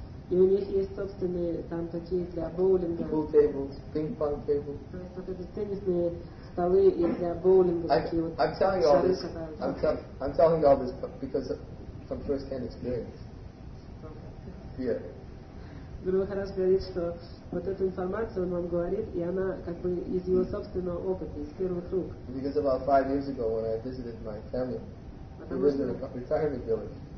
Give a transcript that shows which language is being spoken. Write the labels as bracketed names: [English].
[Russian] И у них есть собственные там такие для боулинга. [English] Pool tables, ping-pong tables. [Russian] То есть вот эти теннисные столы и для боулинга такие вот. [English] I'm telling all this because from first-hand experience. Yeah. [Russian] Другой хорошо говорит, что вот эту информацию он вам говорит, и она как бы из его собственного опыта, из первых рук. [English] Because about 5 years ago when I visited my family, we lived in a retirement village.